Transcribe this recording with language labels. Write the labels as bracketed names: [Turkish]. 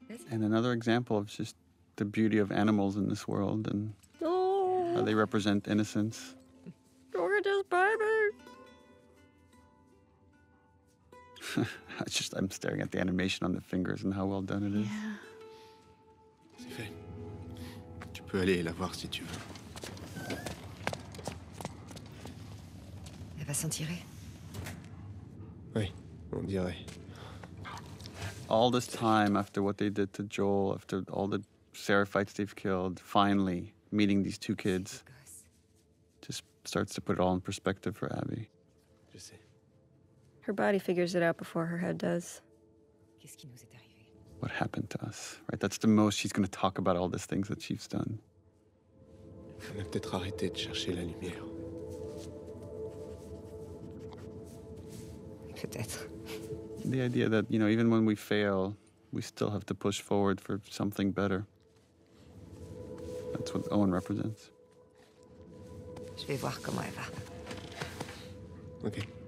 [English] And another example of just the beauty of animals in this world and how they represent innocence. You're just baby. I'm staring at the animation on the fingers and how well done it is. Yeah. [French] C'est fait. Tu peux aller la voir si tu veux. Elle va s'en tirer. Oui, on dirait. [English] All this time after what they did to Joel, after all the seraphites they've killed, finally meeting these two kids, just starts to put it all in perspective for Abby. [French] Je sais. [English] Her body figures it out before her head does. [French] Qu'est-ce qui nous est arrivé? [English] What happened to us? Right, that's the most she's going to talk about all these things that she's done. [French] On a peut-être arrêté de chercher la lumière. Il peut-être. [English] The idea that, you know, even when we fail, we still have to push forward for something better. That's what Owen represents. Je vais voir comment elle va. Okay.